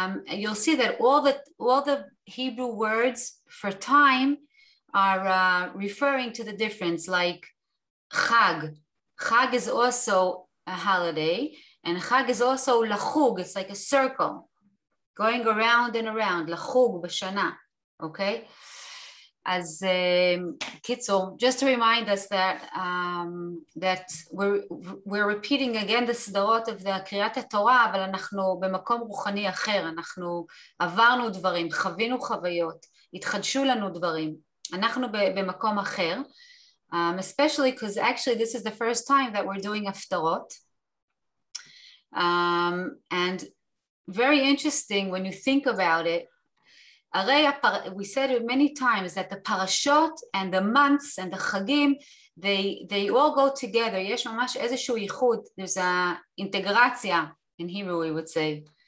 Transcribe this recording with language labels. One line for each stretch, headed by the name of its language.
English: You'll see that all the Hebrew words for time are referring to the difference, like chag. Chag is also a holiday, and chag is also lachug. It's like a circle going around and around, lachug b'shana, okay? As Kitzel, just to remind us that we're repeating again the Sederot of the Kriyat HaTorah,
Hebrew: אבל אנחנו במקום רוחני אחר, אנחנו עברנו דברים, חווינו חוויות, התחדשו לנו דברים, אנחנו במקום אחר,
English: especially because actually this is the first time that we're doing Haftarot. And very interesting when you think about it, we said it many times that the parashot and the months and the chagim, they all go together.
Hebrew: Yesh mamash ezeshu yichud.
English: There's a integrazia in Hebrew, we would say.